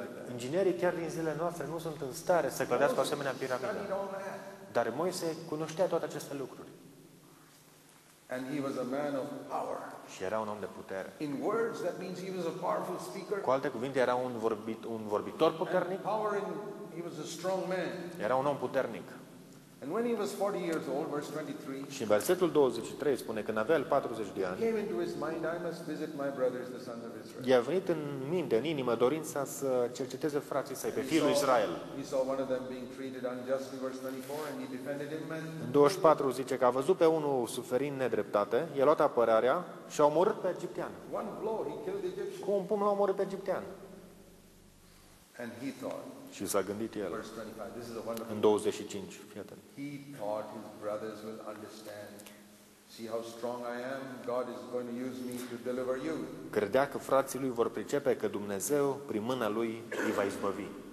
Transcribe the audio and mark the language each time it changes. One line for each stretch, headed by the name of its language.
Romanian: Inginerii chiar din zilele noastre nu sunt în stare să clădească o asemenea piramidă. Dar Moise cunoștea toate aceste lucruri.
English: And he was a man of power.
Romanian: Și era un om de putere.
English: In words, that means he was a powerful speaker.
Romanian: Cu alte cuvinte, era un vorbitor puternic.
English: He was a strong man.
Romanian: Era un om puternic.
English: And when he was 40 years old, verse 23.
Romanian: Și în versetul 23 spune când avea 40 de ani.
English: Came into his mind, I must visit my brothers, the sons of Israel.
Romanian: I-a venit în minte, în inimă, dorința să cerceteze frații săi pe fiul lui Israel.
English: He saw one of them being treated unjustly, verse 24, and he defended him.
Romanian: În 24 zice că a văzut pe unul suferind nedreptate, i-a luat apărarea și a omorât pe egiptean.
English: One blow, he killed the Egyptian.
Romanian: Cu un pumn l-a omorât pe egiptean.
English: And he thought.
Romanian: Și s-a gândit el. În 25, fii atent.
English: He thought his brothers will understand. See how strong I am. God is going to use me to deliver you.
Romanian: Credea că frații lui vor pricepe că Dumnezeu prin mâna lui îi va izbăvi.